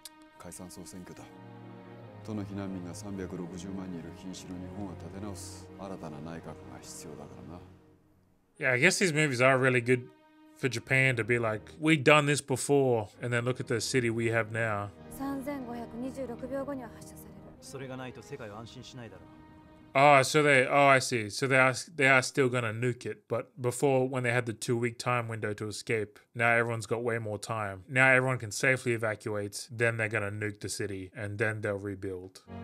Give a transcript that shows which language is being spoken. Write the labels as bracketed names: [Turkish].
[Japanese] 巨大不明生物関連法案の成立と東京復興のめどが立てば解散総選挙だ。その避難民が 360 万人いる瀕死の日本を立て直す新たな内閣が必要だからな。 [English] Yeah, I guess these movies are really good for Japan to be like, we've done this before, and then look at the city we have now. [Japanese] 3526 秒後には発射される。それがないと世界は安心しないだろう。 [English] Oh, so they are still gonna nuke it. But before, when they had the 2 week time window to escape, now everyone's got way more time. Now everyone can safely evacuate, then they're gonna nuke the city, and then they'll rebuild.